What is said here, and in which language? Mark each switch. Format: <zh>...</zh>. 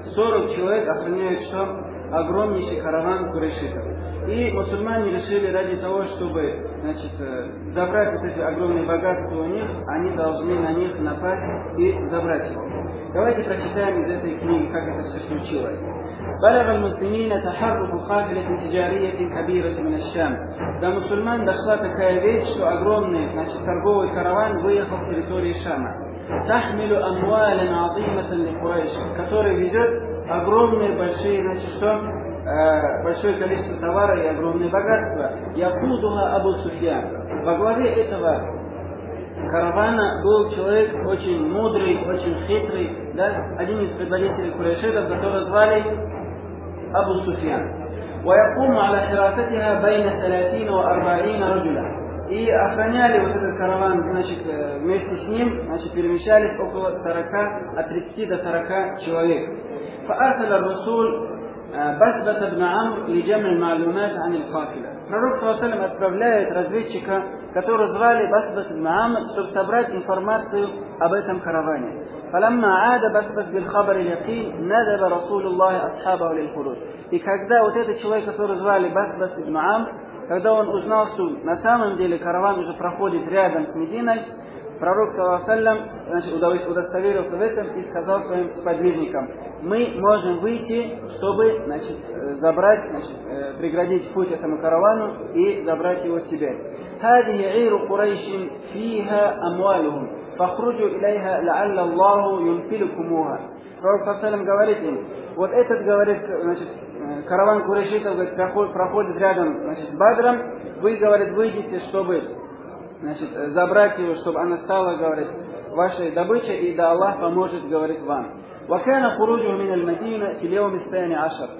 <ru>40 человек охраняют что? Огромнейший караван курайшитов. И мусульмане решили, ради того, чтобы, значит, забрать вот эти огромные богатства у них, они должны на них напасть и забрать его. Давайте прочитаем из этой книги, как это все случилось.</ru> <ar>بلغ المسلمين تحرك قافلة تجارية كبيرة من الشام.</ar> <ru>До мусульман дошла такая вещь, что огромный, значит, торговый караван выехал с территории Шама. تحمل أموالا عظيمة لقريش, который везет огромные большие, значит, что, большое количество товара и огромные богатства.</ru> <ar>يقودها أبو سفيان.</ar> <ru>Во главе этого каравана был человек очень мудрый, очень хитрый, да, один из предводителей курайшитов, которого звали أبو سفيان.</ru> <ar>ويقوم على حراستها بين 30 و 40 رجلا.</ar> <ru>И охраняли вот этот караван, значит, вместе с ним, значит, перемещались около 40, от 30 до 40 человек.</ru> <ar>فأرسل الرسول بسبة بن عمرو لجمع المعلومات عن القافلة.</ar> <ru>Пророк саллаллаху алейхи ва саллям отправляет разведчика, которого звали Басба ибн Амр, чтобы собрать информацию об этом караване. فَلَمَّا عَادَ بَسْبَةً بِالْخَبَرِ الْيَقِينِ نَذَبَ رَسُولُ اللَّهِ أَصْحَابَهُ لِلْخُرُوجِ. И когда вот этот человек, которого звали Басба ибн Амр, Когда он узнал, что на самом деле караван уже проходит рядом с Мединой, пророк, саллаллам, значит, удостоверился в этом и сказал своим сподвижникам: «Мы можем выйти, чтобы, значит, забрать, значит, преградить путь этому каравану и забрать его себе».</ru> <ar>هذه عير قريش فيها أموالهم فخرجوا إليها لعل الله ينفلكموها.</ar> <ru>Пророк саллаллам говорит им: «Вот этот, говорит, значит, караван курайшитов проходит рядом, значит, с Бадром. Вы, говорит, выйдите, чтобы, значит, забрать его, чтобы она стала, говорит, вашей добычей, и да Аллах поможет, говорит, вам».</ru> <ar>وَكَانَ خُرُوجُهُ مِنَ الْمَدِينَةِ فِي الْيَوْمِ الثَّانِي عَشَرِ.</ar>